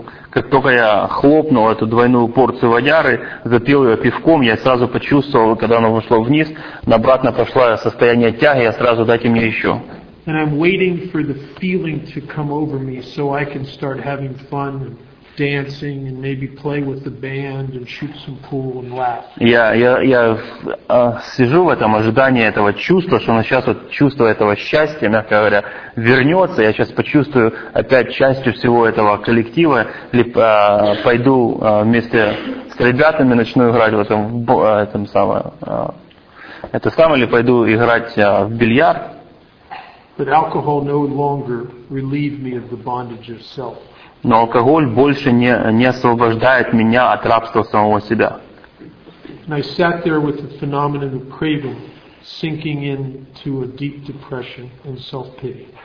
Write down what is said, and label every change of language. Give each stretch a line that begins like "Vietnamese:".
Russian: Как только я хлопнул эту двойную порцию водяры, запил ее пивком, я сразу почувствовал, когда оно вошло вниз, обратно пошло состояние тяги, я сразу дайте мне еще.
English: And I'm waiting for the feeling to come over me so I can start having fun and dancing and maybe play with the band and shoot some pool and laugh.
Russian: Я сижу в этом ожидании этого чувства, что оно сейчас вот чувство этого счастья, мягко говоря, вернется. Я сейчас почувствую опять частью всего этого коллектива, либо пойду вместе с ребятами, начну играть в этом самом, или пойду играть в бильярд.
English: But alcohol no longer relieved me of the bondage of self.
Russian: Но алкоголь больше не освобождает меня от рабства самого себя.
English: And I sat there with the phenomenon of craving sinking into a deep depression and self-pity.